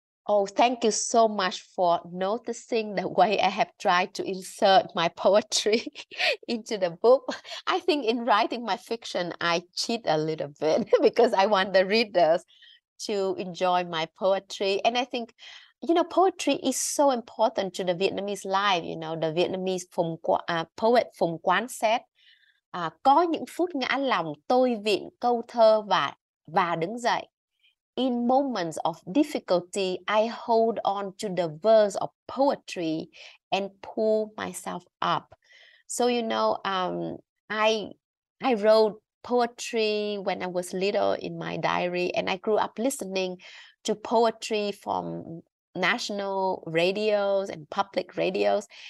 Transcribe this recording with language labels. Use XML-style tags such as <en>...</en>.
<en>Oh, thank you so much for noticing the way I have tried to insert my poetry into the book. I think in writing my fiction, I cheat a little bit because I want the readers to enjoy my poetry. And I think, you know, poetry is so important to the Vietnamese life. You know, the Vietnamese poet Phùng Quán said,</en> <vi>có những phút ngã lòng tôi viện câu thơ và đứng dậy.</vi> <en>In moments of difficulty, I hold on to the verse of poetry and pull myself up. So, you know, I wrote poetry when I was little in my diary, and I grew up listening to poetry from national radios and public radios.</en>